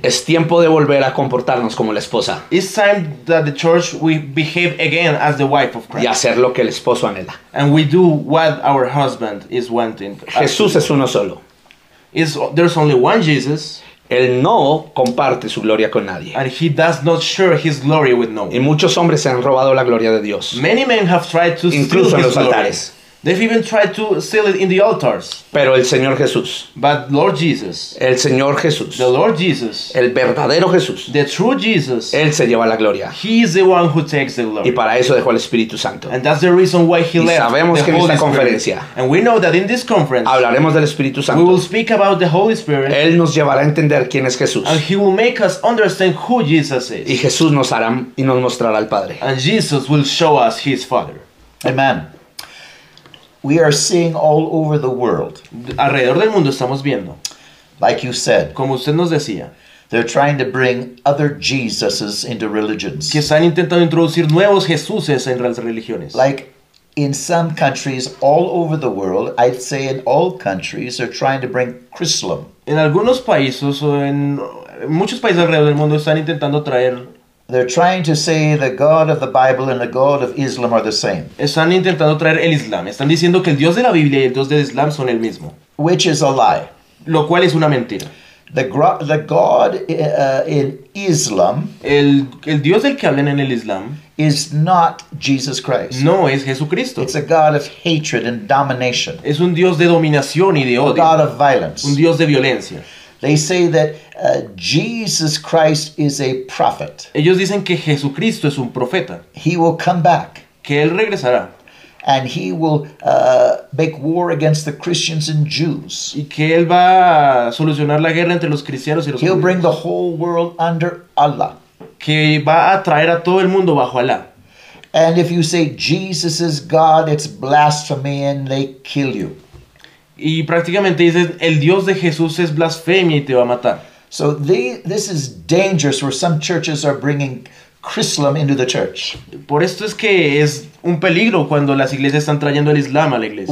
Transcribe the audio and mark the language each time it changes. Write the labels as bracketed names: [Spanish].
[Spanish] Es tiempo de volver a comportarnos como la esposa. [English] It's time that the church we behave again as the wife of Christ. [Spanish] Y hacer lo que el esposo anhela. [English] And we do what our husband is wanting. [Spanish] Jesús es uno solo. [English] There's only one Jesus. [Spanish] Él no comparte su gloria con nadie. [English] And he does not share his glory with no one. [Spanish] Y muchos hombres se han robado la gloria de Dios. [English] Many men have tried to [Spanish] incluso [English] steal [Spanish] en los altares. [English] Glory. They've even tried to steal it in the altars. [Spanish] Pero el Señor Jesús. [English] But Lord Jesus. [Spanish] El Señor Jesús. [English] The Lord Jesus. [Spanish] El verdadero Jesús. [English] The true Jesus. [Spanish] Él se lleva la gloria. [English] He is the one who takes the glory. [Spanish] Y para eso dejó el Espíritu Santo. [English] And that's the reason why he left. [Spanish] Y sabemos que en esta conferencia. [English] And we know that in this conference. [Spanish] Hablaremos del Espíritu Santo. [English] We will speak about the Holy Spirit. [Spanish] Él nos llevará a entender quién es Jesús. [English] And he will make us understand who Jesus is. [Spanish] Y Jesús nos hará y nos mostrará al Padre. [English] And Jesus will show us his Father. Amen. We are seeing all over the world. [Spanish] Alrededor del mundo estamos viendo. [English] Like you said. [Spanish] Como usted nos decía. [English] They're trying to bring other Jesuses into religions. [Spanish] Que están intentando introducir nuevos Jesuses en las religiones. [English] Like in some countries all over the world, I'd say in all countries, they're trying to bring Christendom. [Spanish] En algunos países o en muchos países alrededor del mundo están intentando traer. [English] They're trying to say the God of the Bible and the God of Islam are the same. [Spanish] Están intentando traer el Islam. Están diciendo que el Dios de la Biblia y el Dios del Islam son el mismo. [English] Which is a lie. [Spanish] Lo cual es una mentira. [English] The God in Islam. [Spanish] El Dios del que hablan en el Islam. [English] Is not Jesus Christ. [Spanish] No es Jesucristo. [English] It's a God of hatred and domination. [Spanish] Es un Dios de dominación y de odio. [English] A God of violence. [Spanish] Un Dios de violencia. [English] They say that Jesus Christ is a prophet. [Spanish] Ellos dicen que Jesucristo es un profeta. [English] He will come back. [Spanish] Que él regresará. [English] And he will make war against the Christians and Jews. [Spanish] Y que él va a solucionar la guerra entre los cristianos y los [English] judíos. He'll bring the whole world under Allah. [Spanish] Que va a traer a todo el mundo bajo Allah. [English] And if you say Jesus is God, it's blasphemy and they kill you. [Spanish] Y prácticamente dices el Dios de Jesús es blasfemia y te va a matar. [English] So this is dangerous where some churches are bringing Christendom into the church. [Spanish] Por esto es que es un peligro cuando las iglesias están trayendo el Islam a la iglesia.